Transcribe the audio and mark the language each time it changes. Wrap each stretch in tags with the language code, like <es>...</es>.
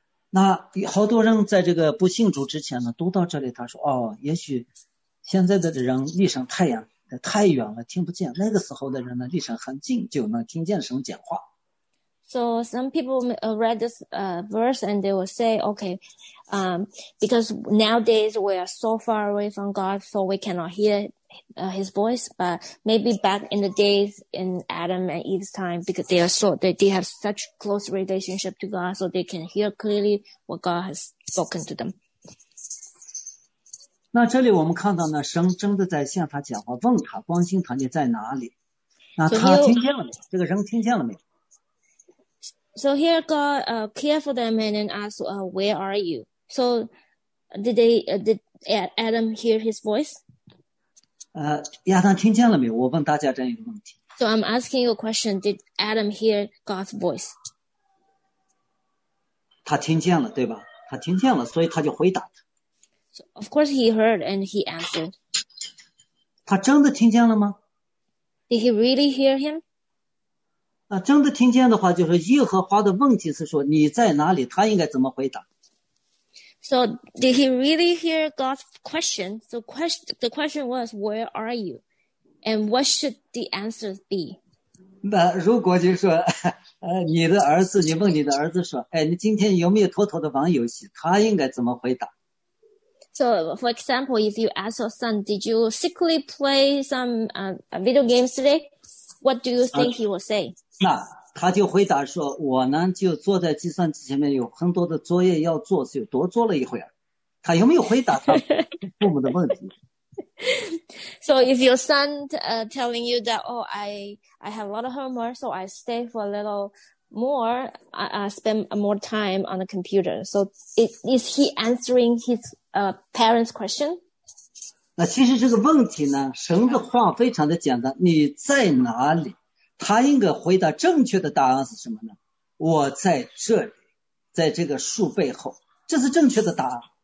<zh>那好多人在这个不信主之前呢，读到这里他说，哦，也许现在的人离上太阳太远了，听不见。那个时候的人呢，离上很近，就能听见神讲话。</zh> <en>So some people read this verse and they will say, okay, because nowadays we are so far away from God, so we cannot hear his voice. But maybe back in the days in Adam and Eve's time, because they have such close relationship to God, so they can hear clearly what God has spoken to them.</en> <zh>那这里我们看到呢，神真的在向他讲话，问他，关心他，你在哪里？那他听见了没有？这个人听见了没有？</zh> <en>So here God care for them and then ask, where are you? So did Adam hear his voice?</en> <zh>亚当听见了没有？我问大家这样一个问题。</zh> <en>So I'm asking you a question. Did Adam hear God's voice?</en> <zh>他听见了，对吧？他听见了，所以他就回答他。</zh> <en>So of course he heard and he answered.</en> <zh>他真的听见了吗？</zh> <en>Did he really hear him?</en> <zh>真的听见的话，就是耶和华的问题是说你在哪里，他应该怎么回答。</zh> <en>So, did he really hear God's question? So, the question was, where are you? And what should the answer be?</en> <zh>那如果就是说，你的儿子，你问你的儿子说，哎，你今天有没有偷偷的玩游戏？他应该怎么回答？</zh> <en>So, for example, if you ask your son, did you secretly play some video games today? What do you think he will say?</en> <zh>那他就回答说，我呢就坐在计算机前面，有很多的作业要做，是有多做了一会儿。他有没有回答他父母的问题？</zh> <en>So if your son telling you that, oh, I have a lot of homework, so I stay for a little more, spend more time on the computer. So is he answering his parents' question?</en> <zh>那其实这个问题呢，神的话非常的简单，你在哪里？他应该回答正确的答案是什么呢？我在这里，在这个树背后，这是正确的答案。</zh>